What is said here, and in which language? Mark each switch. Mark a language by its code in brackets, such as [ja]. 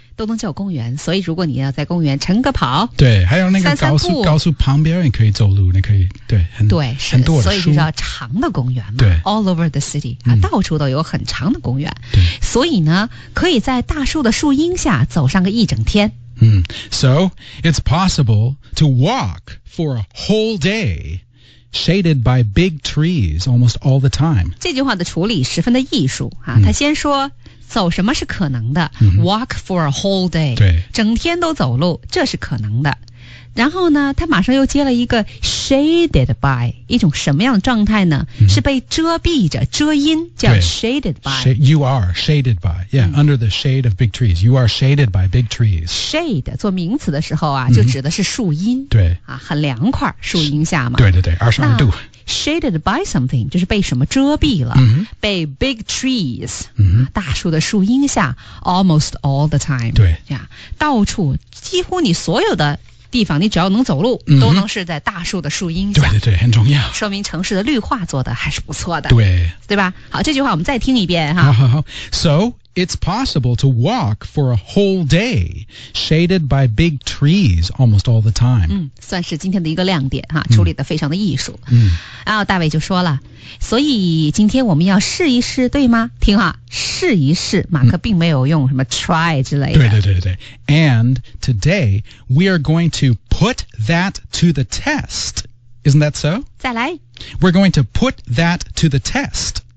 [zh] 都能叫公园，所以如果你要在公园晨个跑，对，还有那个高速旁边也可以走路，你可以，对，对，很多的，所以就叫长的公园嘛，对， [en] all over the city [zh] 啊，到处都有很长的公园，对，所以呢，可以在大树的树荫下走上个一整天。 [en] So it's possible to walk for a whole day shaded by big trees almost all the time。 [zh] 这句话的处理十分的艺术啊，他先说。走什么是可能的、 [en] Walk for a whole day， [zh] 对，整天都走路，这是可能的。然后呢，他马上又接了一个 shaded by， 一种什么样的状态呢、是被遮蔽着，遮阴，叫 shaded by。 [en] You are shaded by， yeah，under the shade of big trees， you are shaded by big trees。 [zh] shade 做名词的时候啊，就指的是树荫，对，啊，很凉快，树荫下嘛，对对对，二十二度。 Shaded by something 就是被什么遮蔽了、被 big trees、大树的树荫下 [en] almost all the time， [zh] 对，这样到处几乎你所有的地方你只要能走路、都能是在大树的树荫下，对对对，很重要，说明城市的绿化做得还是不错的，对，对吧。好，这句话我们再听一遍哈。好好好。 [en] So it's possible to walk for a whole day shaded by big trees almost all the time、 [zh] 算是今天的一个亮点哈，处理得非常的艺术、然后大卫就说了，所以今天我们要试一试，对吗？听啊，试一试，马克并没有用什么 try 之类的。对对对对。 [en] And today we are going to put that to the test. Isn't that so? [zh] 再来。 [en] We're going to put that to the test.